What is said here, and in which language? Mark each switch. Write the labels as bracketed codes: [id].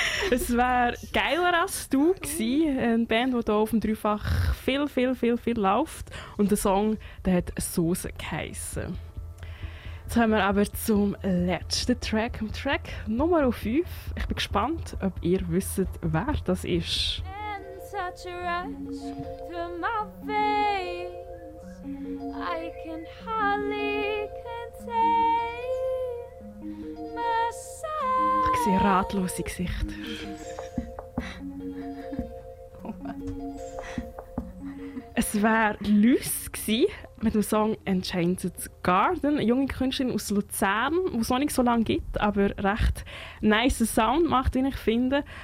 [de] Es wäre geiler als du gewesen. Eine Band, die hier auf dem Dreifach viel läuft. Und der Song, der hat Soße geheissen. Jetzt kommen wir aber zum letzten Track, dem Track Nummer 5. Ich bin gespannt, ob ihr wisst, wer das ist. [en] In such a rush to my face, I can hardly contain myself. [de] Ich sehe ratlose Gesichter. Es wäre Luz gewesen. mit dem Song Enchanted Garden. Eine junge Künstlerin aus Luzern, die es noch nicht so lange gibt, aber recht nice Sound macht, wie ich finde.